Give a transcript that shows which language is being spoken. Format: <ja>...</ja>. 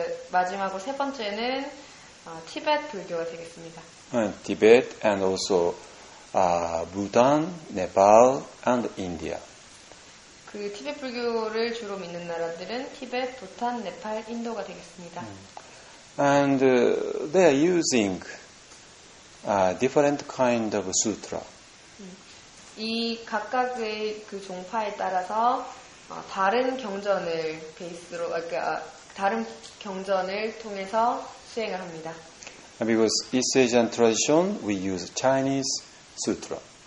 <ko>마지막으로 세 번째는 티벳 불교가 되겠습니다.</ko> <en>And Tibet and also Bhutan, Nepal and India.</en> <ko>그 티벳 불교를 주로 믿는 나라들은 티벳, 부탄, 네팔, 인도가 되겠습니다.</ko> <en>And they are using different kind of sutra.</en> <ko>이 각각의 그 종파에 따라서 다른 경전을 베이스로 다른 경전을 통해서 수행을 합니다.</ko> <en>Because East Asian tradition, we use Chinese sutra.</en>